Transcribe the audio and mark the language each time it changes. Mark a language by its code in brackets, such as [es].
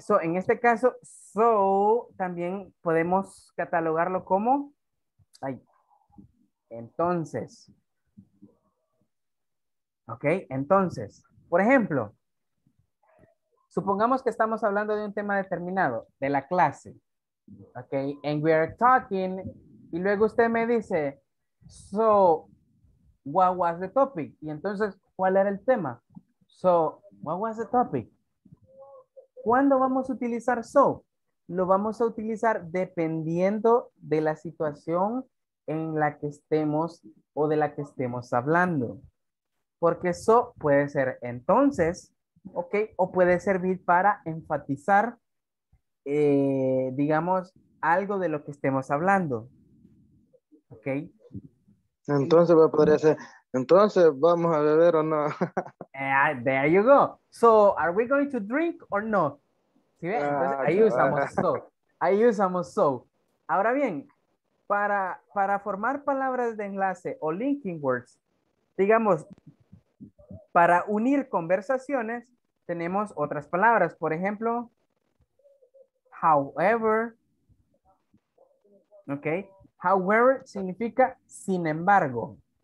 [es] So, en este caso, so también podemos catalogarlo como... Ahí. Entonces. ¿Ok? Entonces, por ejemplo, supongamos que estamos hablando de un tema determinado, de la clase. [en] Okay, and we are talking, [es] y luego usted me dice, [en] so, what was the topic? [es] Y entonces, ¿cuál era el tema? [en] So, what was the topic? [es] ¿Cuándo vamos a utilizar so? Lo vamos a utilizar dependiendo de la situación en la que estemos o de la que estemos hablando. Porque so puede ser entonces, okay, o puede servir para enfatizar, digamos, algo de lo que estemos hablando. ¿Ok? Entonces, podría ser, entonces, ¿vamos a beber o no? [en] There you go. So, are we going to drink or not? [es] ¿Sí ve? Entonces, ahí usamos so. Ahí usamos so. Ahora bien, para formar palabras de enlace o linking words, digamos, para unir conversaciones, tenemos otras palabras. Por ejemplo, however, ok, however significa sin embargo.